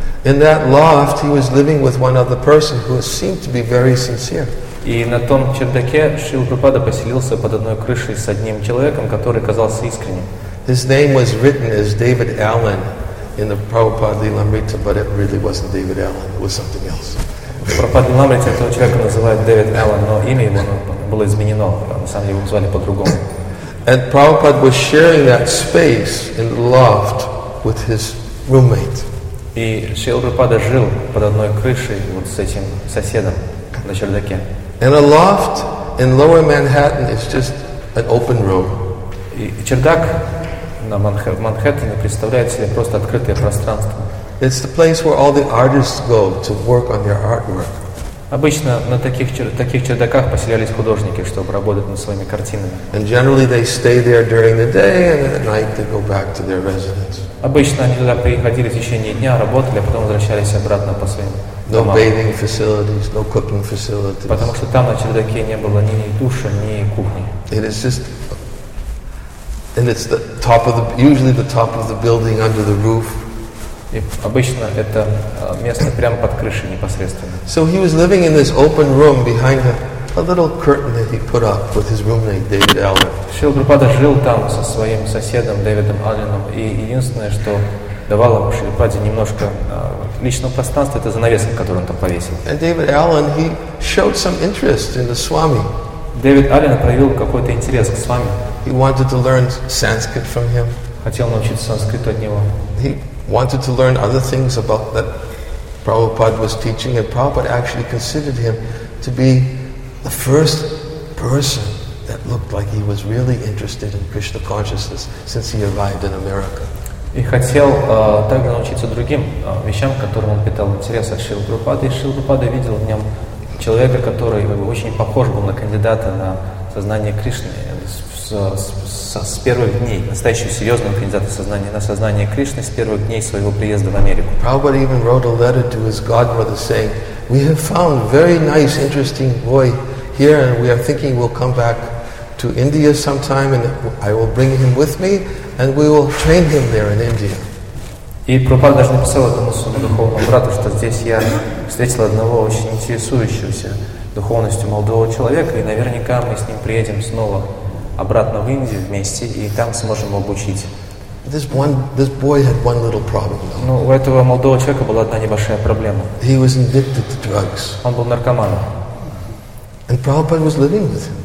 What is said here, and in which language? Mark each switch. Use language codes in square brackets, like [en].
[en] In that loft he was living with one other person who seemed to be very sincere. [ru] И на том чердаке Шрила Прабхупада поселился под одной крышей с одним человеком, который казался искренним. [en] His name was written as David Allen in the Prabhupada Lilamrita, but it really wasn't David Allen, it was something else. [ru] Прабхупада Лиламрита этого человека называют Дэвид Эллен, но имя его было изменено, на самом деле его звали по-другому. [en] And Prabhupada was sharing that space in the loft with his roommate. [ru] И Шрила Прабхупада жил под одной крышей вот с этим соседом на чердаке. [en] And a loft in lower Manhattan is just an open room. [ru] И чердак на Манхэттене представляет себе просто открытое пространство. [en] It's the place where all the artists go to work on their artwork. [ru] Обычно на таких чердаках поселялись художники, чтобы работать над своими картинами. [en] And generally they stay there during the day, and at night they go back to their residence. [ru] Обычно они туда приходили в течение дня, работали, а потом возвращались обратно по своим домам. [en] No bathing facilities, no cooking facilities. [ru] Потому что там на чердаке не было ни душа, ни кухни. [en] It is just, and it's the top of the, usually the top of the building under the roof. [ru] И обычно это место прямо под крышей непосредственно. [en] So he was living in this open room behind a little curtain that he put up with his roommate David Allen. [ru] Шрила Прабхупада жил там со своим соседом Дэвидом Алленом, и единственное, что давало Шрила Прабхупаде немножко личного пространства, это занавеска, которую он там повесил. [en] And David Allen, he showed some interest in the Swami. [ru] Дэвид Аллен проявил какой-то интерес к Свами. [en] He wanted to learn Sanskrit from him. [ru] Хотел научиться санскриту от него. [en] Wanted to learn other things about that Prabhupada was teaching, and Prabhupada actually considered him to be the first person that looked like he was really interested in Krishna consciousness since he arrived in America. [ru] И хотел также научиться другим вещам, которым он питал интерес от Шрилы Прабхупады, и Шрила Прабхупада видел в нем человека, который очень похож был на кандидата на сознание Кришны с первых дней, настоящего серьезного кандидата сознания на сознание Кришны с первых дней своего приезда в Америку. [en] Prabhupada even wrote a letter to his godmother saying, "We have found very nice, interesting boy here, and we are thinking we'll come back to India sometime, and I will bring him with me, and we will train him there in India." [ru] И Прабхупада даже написал этому своему духовному брату, что здесь я встретил одного очень интересующегося духовностью молодого человека, и наверняка мы с ним приедем снова обратно в Индию вместе, и там сможем обучить. [en] This boy had one little problem. [ru] Ну, у этого молодого человека была одна небольшая проблема. [en] He was addicted to drugs. [ru] Он был наркоманом. [en] And Prabhupada was living with him.